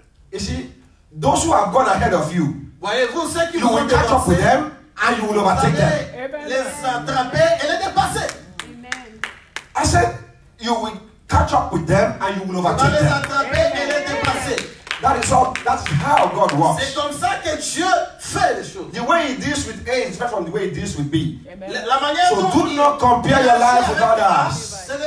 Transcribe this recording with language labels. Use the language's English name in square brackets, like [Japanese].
[English] You see, those who have gone ahead of you, [French] voyez-vous, ceux qui [English] you will catch up with them and you will overtake them. [French] Les attraper et les dépasser. [English] I said, you will catch up with them and you will overtake [French] les attraper et les dépasser. [English] That is all. That's how God works. [French] C'est comme ça que Dieu fait les choses. [English] The way He deals with A is different from the way He deals with B. [French] La manière [English] so do not compare your life with others.